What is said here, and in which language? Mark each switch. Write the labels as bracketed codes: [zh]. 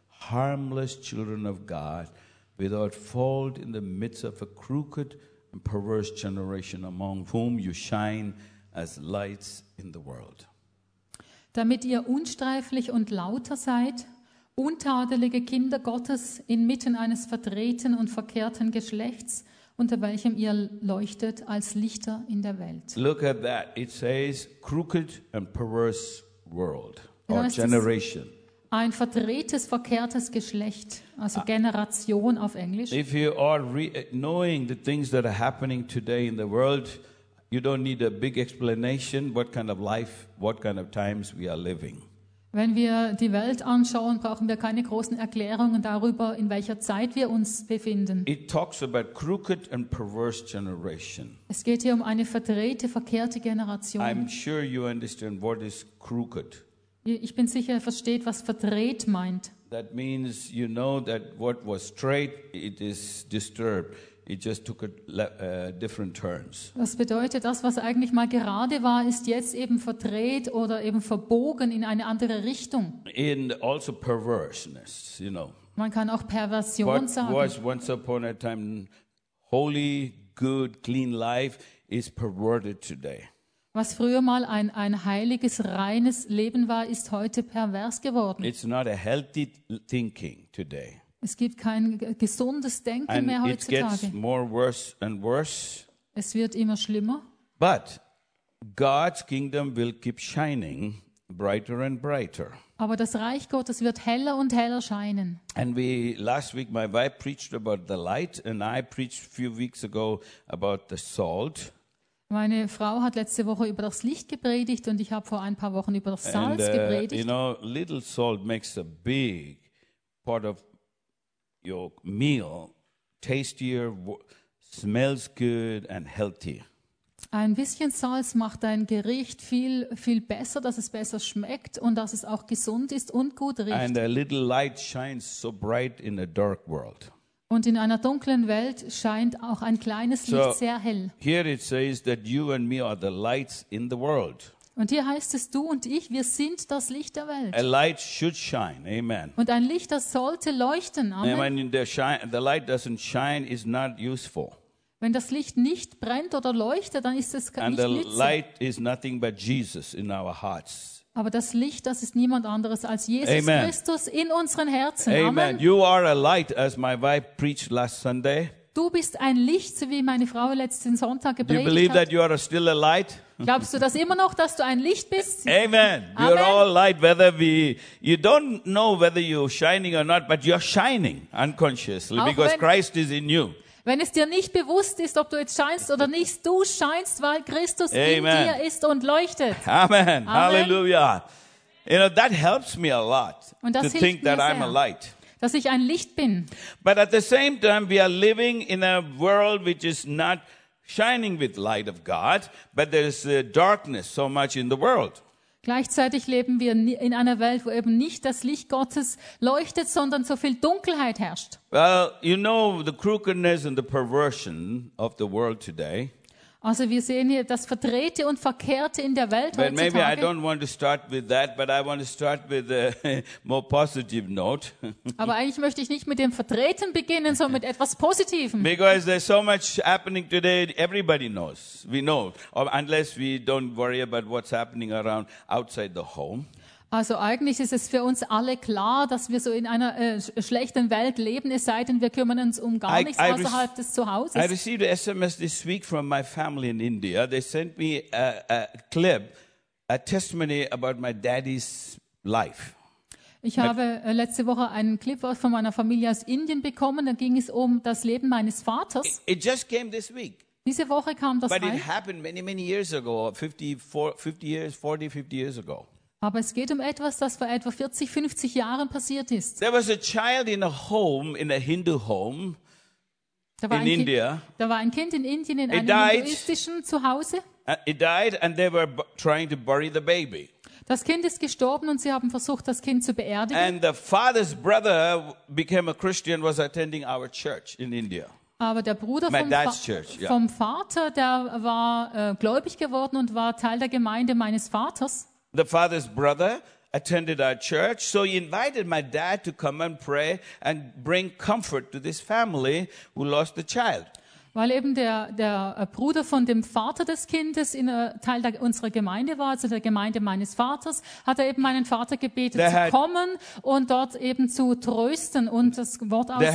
[en] harmless children of God, without fault in the midst of a crooked and perverse generation, among whom you shine as lights in the world. [de] Damit ihr unstreiflich und lauter seid, untadelige Kinder Gottes inmitten eines verdrehten und verkehrten Geschlechts, unter welchem ihr leuchtet als Lichter in der Welt. [en] Look at that. It says crooked and perverse world or generation. [de] Ein verdrehtes, verkehrtes Geschlecht, also Generation auf Englisch. [en] If you are knowing the things that are happening today in the world, you don't need a big explanation what kind of life, what kind of times we are living. [de] Wenn wir die Welt anschauen, brauchen wir keine großen Erklärungen darüber, in welcher Zeit wir uns befinden. [en] It talks about crooked and perverse generation. [de] Es geht hier um eine verdrehte, verkehrte Generation. [en] I'm sure you understand what is crooked. [de] Ich bin sicher, ihr versteht, was verdreht meint. [en] That means you know that what was straight, it is disturbed. It just took different turns. [de] Das bedeutet, das, was eigentlich mal gerade war, ist jetzt eben verdreht oder eben verbogen in eine andere Richtung. [en] In also perverseness, you know. [de] Man kann auch Perversion [en] what [de] sagen. [en] What was once upon a time holy, good, clean life is perverted today. [de] Was früher mal ein heiliges, reines Leben war, ist heute pervers geworden. [en] It's not a healthy thinking today. [de] Es gibt kein gesundes Denken [en] and [de] mehr heutzutage. [en] It gets more worse and worse. [de] Es wird immer schlimmer. [en] But God's kingdom will keep shining brighter and brighter. [de] Aber das Reich Gottes wird heller und heller scheinen. [en] And we last week my wife preached about the light and I preached a few weeks ago about the salt. [de] Meine Frau hat letzte Woche über das Licht gepredigt und ich habe vor ein paar Wochen über das Salz gepredigt. [en] You know, little salt makes a big part of your meal tastier, smells good and healthy. [de] Ein bisschen Salz macht dein Gericht viel, viel besser, dass es besser schmeckt und dass es auch gesund ist und gut riecht. [en] And a little light shines so bright in a dark world. [de] Und in einer dunklen Welt scheint auch ein kleines Licht sehr hell. [en] Here it says that you and me are the lights in the world. [de] Und hier heißt es, du und ich, wir sind das Licht der Welt. [en] A light should shine, amen. [de] Und ein Licht, das sollte leuchten, amen. [en] When the light doesn't shine, is not useful. [de] Wenn das Licht nicht brennt oder leuchtet, dann ist es nicht nützlich. [en] And the light is nothing but Jesus in our hearts. [de] Aber das Licht, das ist niemand anderes als Jesus Amen. Christus in unseren Herzen. Amen. Amen. [en] You are a light, as my wife preached last Sunday. [de] Du bist ein Licht, so wie meine Frau letzten Sonntag gepredigt hat. [en] You believe [de] hat. [en] That you are still a light? [de] Glaubst du das immer noch, dass du ein Licht bist? Amen. Amen. [en] You are all light, whether we, you don't know whether you're shining or not, but you're shining unconsciously, [de] auch [en] because Christ is in you. [de] Wenn es dir nicht bewusst ist, ob du jetzt scheinst oder nicht, du scheinst, weil Christus Amen. In dir ist und leuchtet. Amen. Amen. Hallelujah. [en] You know, that helps me a lot to think that [de] sehr, [en] I'm a light. [de] Dass ich ein Licht bin. [en] But at the same time, we are living in a world which is not shining with light of God, but there is darkness so much in the world. [de] Gleichzeitig leben wir in einer Welt, wo eben nicht das Licht Gottes leuchtet, sondern so viel Dunkelheit herrscht. [en] Well, you know the crookedness and the perversion of the world today. [de] Also wir sehen hier das Verdrehte und Verkehrte in der Welt [en] but [de] heutzutage. [en] Maybe I don't want to start with that, but I want to start with a more positive note. [de] Aber eigentlich möchte ich nicht mit dem Verdrehten beginnen, sondern mit etwas Positivem. [en] Because there's so much happening today, everybody knows. We know, unless we don't worry about what's happening around outside the home. [de] Also eigentlich ist es für uns alle klar, dass wir so in einer schlechten Welt leben, es sei denn, wir kümmern uns um gar nichts außerhalb des Zuhauses. [en] I received a SMS this week from my family in India. They sent me a clip, a testimony about my daddy's life. [de] Ich habe letzte Woche einen Clip von meiner Familie aus Indien bekommen. Da ging es um das Leben meines Vaters. [en] It just came this week. [de] Diese Woche kam das [en] But it happened many, many years ago, 50 years ago. [de] Aber es geht um etwas, das vor etwa 40, 50 Jahren passiert ist. [en] There was a child in a home, in a Hindu home, in India. [de] Da war ein Kind in Indien in einem hinduistischen Zuhause. [en] It died and they were trying to bury the baby. [de] Das Kind ist gestorben und sie haben versucht, das Kind zu beerdigen. [en] And the father's brother became a Christian, was attending our church in India. [de] Aber der Bruder vom Vater, der war gläubig geworden und war Teil der Gemeinde meines Vaters. [en] The father's brother attended our church, so he invited my dad to come and pray and bring comfort to this family who lost the child. [de] Weil eben der Bruder von dem Vater des Kindes in Teil unserer Gemeinde war, also der Gemeinde meines Vaters, hat eben meinen Vater gebeten zu kommen und dort eben zu trösten und das Wort auszusprechen.